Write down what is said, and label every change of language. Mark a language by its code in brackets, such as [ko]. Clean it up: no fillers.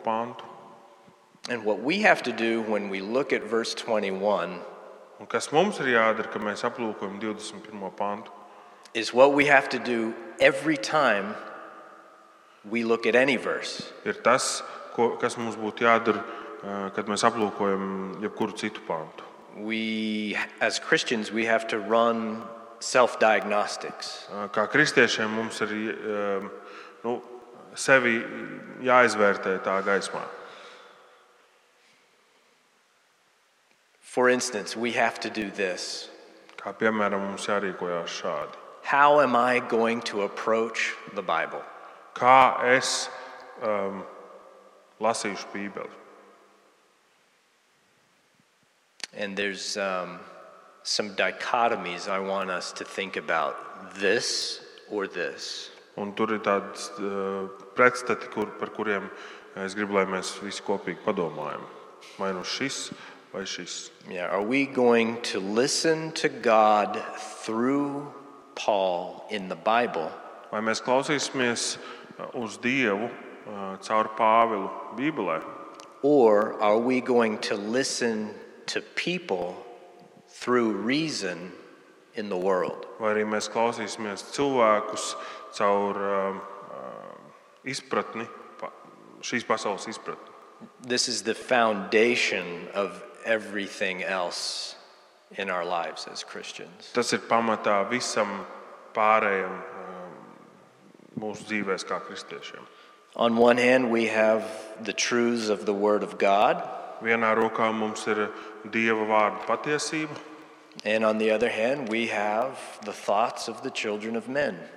[lv] Pantu. [en] And what we have to do when we look at verse 21, [lv] un kas mums ir jādara, ka mēs aplūkojam 21. Pantu, [en] is what we have to do every time we look at any verse. [lv] Ir tas, kas mums būtu jādara, kad mēs aplūkojam jebkuru citu pantu. [en] We, as Christians, we have to run self-diagnostics. [lv] Kā kristiešiem mums ir, nu, sevi jāizvērtē tā gaismā. [en] For instance, we have to do this. [lv] Kā piemēram, mums jārīkojās šādi. [en] How am I going to approach the Bible? [lv] Kā es lasīšu Bībeli? [en] And there's some dichotomies I want us to think about, this or this. [lv] Un tur ir tāds pretstati, par kuriem es gribu, lai mēs visi kopīgi padomājam. Vai nu šis, vai šis. [en] Yeah, are we going to listen to God through Paul in the Bible? [lv] Vai mēs klausīsimies uz Dievu caur Pāvilu Bībelē? [en] Or are we going to listen to people through reason in the world? [lv] Vai arī mēs klausīsimies cilvēkus caur izpratni, šīs pasaules izpratni? [en] This is the foundation of everything else in our lives as Christians. [lv] Tas ir pamatā visam pārējam mūsu dzīvēs kā kristiešiem. [en] On one hand we have the truths of the word of God. [lv] Vienā rokā mums ir Dieva vārda patiesība. [en] And on the other hand, we have the thoughts of the children of men.